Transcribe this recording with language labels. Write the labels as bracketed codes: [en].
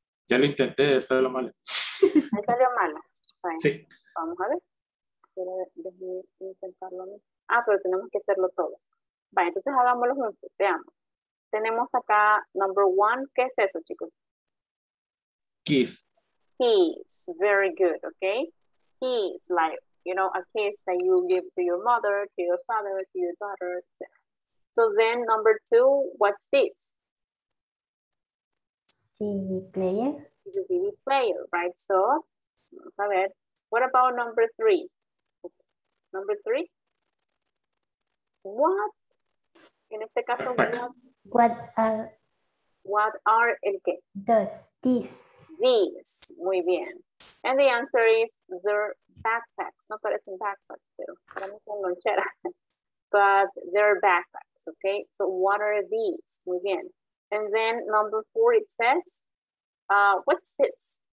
[es] Ya lo intenté, salió mal. Me salió mal. Bueno, sí. Vamos a ver. Déjame intentarlo. Ah, pero tenemos que hacerlo todo. Vale, entonces hagámoslo juntos, veamos. Tenemos acá, number one, ¿qué es eso, chicos? [en] Kiss. Kiss, very good, okay? Kiss, like, you know, a kiss that you give to your mother, to your father, to your daughter. So then, number two, what's this? CD player. It's a CD player, right? So, vamos a ver. What about number three? Number three? What? En este caso, what are [es] el qué? [en] Does this. These. Muy bien. And the answer is their backpacks. [es] No parecen backpacks, pero para mí son loncheras. [en] But their backpacks, okay? So what are these? Muy bien. And then number four, it says, what's this?